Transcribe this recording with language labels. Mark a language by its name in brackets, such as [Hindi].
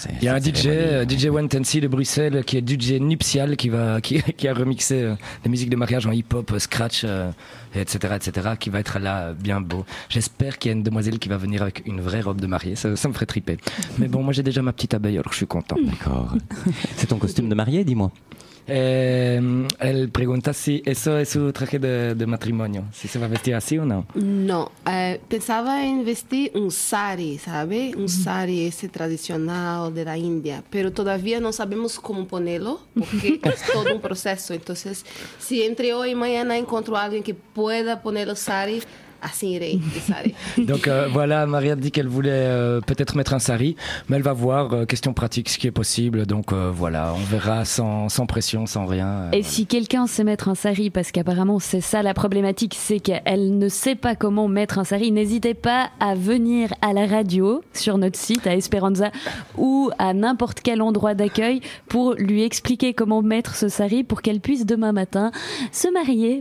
[French] Il y a un DJ Wentensi de Bruxelles qui est DJ nuptial qui a remixé les musiques de mariage en hip-hop, scratch, etc., etc. qui va être là bien beau. J'espère qu'il y a une demoiselle qui va venir avec une vraie robe de mariée. Ça me ferait triper. Mais bon, moi j'ai déjà ma petite abeille, alors je suis content. D'accord. C'est ton costume de mariée, dis-moi. [Spanish] Elle pregunta si eso es su traje de matrimonio, si se va a vestir así o no. No, pensaba en vestir un sari, ¿sabe? Un sari ese tradicional de la India, pero todavía no sabemos cómo ponerlo, porque es todo un proceso. Entonces, si entre hoy y mañana encuentro a alguien que pueda poner el sari, así iré. [French] Donc voilà, María dit qu'elle voulait peut-être mettre un sari, mais elle va voir, question pratique, ce qui est possible. Donc voilà, on verra sans pression, sans rien. Et si quelqu'un sait mettre un sari, parce qu'apparemment c'est ça la problématique, c'est qu'elle ne sait pas comment mettre un sari, n'hésitez pas à venir à la radio, sur notre site, à Esperanza, ou à n'importe quel endroit d'accueil, pour lui expliquer comment mettre ce sari, pour qu'elle puisse demain matin se marier.